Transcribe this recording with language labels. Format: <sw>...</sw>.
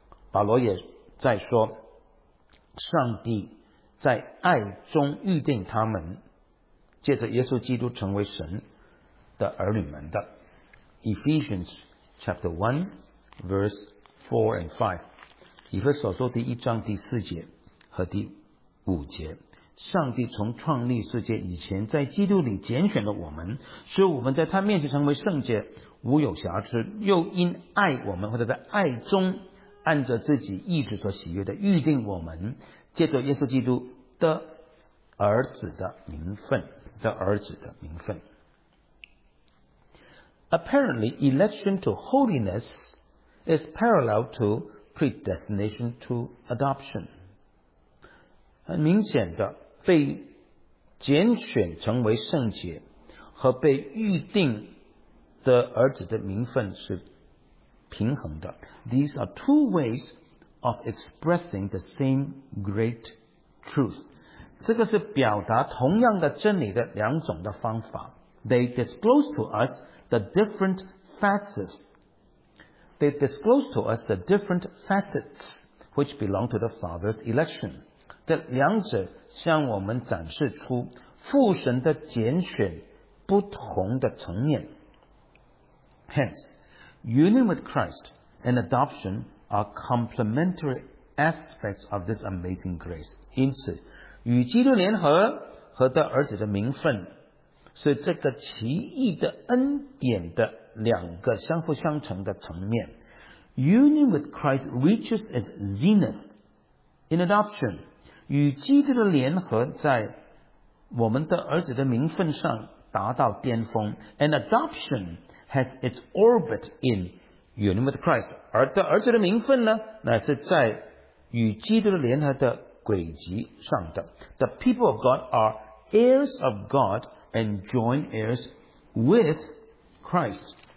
<zh>保罗也在说，上帝在爱中预定他们借着耶稣基督成为神的儿女们的。</zh> <en>Ephesians chapter 1 verse 4 and 5，</en> <zh>以弗所书第一章第四节和第五节，上帝从创立世界以前，在基督里拣选了我们，使我们在他面前成为圣洁，无有瑕疵，又因爱我们，或者在爱中按着自己意志所喜悦的预定我们，借着耶稣基督的儿子的名分，的儿子的名分。</zh> <en>Apparently, election to holiness is parallel to predestination to adoption.</en> <zh>很明显的，被拣选成为圣洁和被预定的儿子的名分是平衡的。</zh> <en>These are two ways of expressing the same great truth.</en> <zh>这个是表达同样的真理的两种的方法。</zh> <en>They disclose to us the different facets. They disclose to us the different facets which belong to the Father's election.</en> <zh>这两者向我们展示出父神的拣选不同的层面。</zh> <en>Hence, union with Christ and adoption are complementary aspects of this amazing grace.</en> <zh>因此，与基督联合和他儿子的名分是这个奇异的恩典的两个相辅相成的层面。</zh> <en>Union with Christ reaches its zenith in adoption.</en> <zh>与基督的联合在我们的儿子的名分上达到巅峰。</zh> <en>And adoption has its orbit in union with Christ.</en> <zh>而的儿子的名分呢，乃是在与基督的联合的轨迹上的。</zh> <en>The people of God are heirs of God and joint heirs with Christ.</en>